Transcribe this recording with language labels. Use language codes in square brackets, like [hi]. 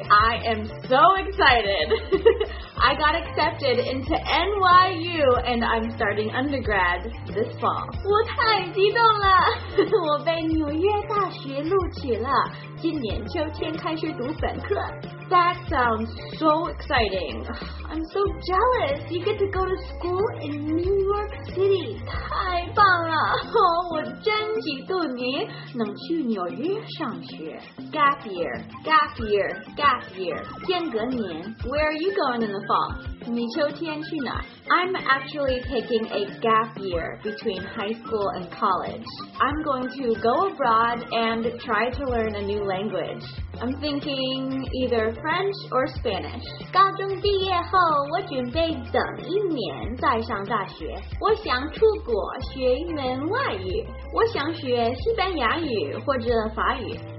[en] I am so excited I got accepted into NYU and I'm starting undergrad this fall. [zh] 我太激动了，我被纽约大学录取了，今年秋天开始读本科。 [en] That sounds so exciting. I'm so jealous. You get to go to school in New York City. [zh] 太棒了，我真嫉妒你能去纽约上学。 [en] Gap year [zh] 间隔年。 [en] Where are you going in the fall? [zh] 你秋天去哪？ [en] I'm actually taking a gap year between high school and college. I'm going to go abroad and try to learn a new language. I'm thinking either French or Spanish. [zh] 高中毕业后，我准备等一年再上大学。我想出国学一门外语。我想学西班牙语或者法语。